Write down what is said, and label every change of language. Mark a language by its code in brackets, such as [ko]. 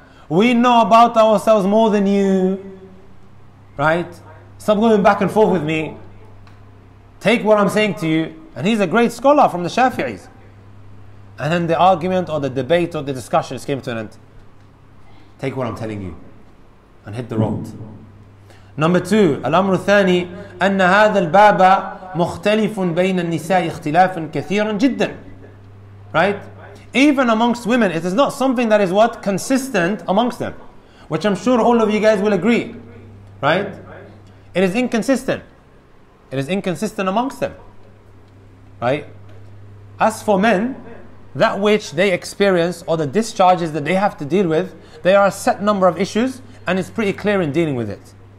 [en] We know about ourselves more than you. Right? Stop going back and forth with me. Take what I'm saying to you. And he's a great scholar from the Shafi'is. And then the argument or the debate or the discussion came to an end. Take what I'm telling you. And hit the road. Number two, [ar] الأمر الثاني أن هذا الباب مختلف بين النساء اختلافا كثيرا جدا. [en] Right? Even amongst women, it is not something that is what? Consistent amongst them. Which I'm sure all of you guys will agree. Right? It is inconsistent. It is inconsistent amongst them. Right? As for men, that which they experience or the discharges that they have to deal with, there are a set number of issues and it's pretty clear in dealing with it.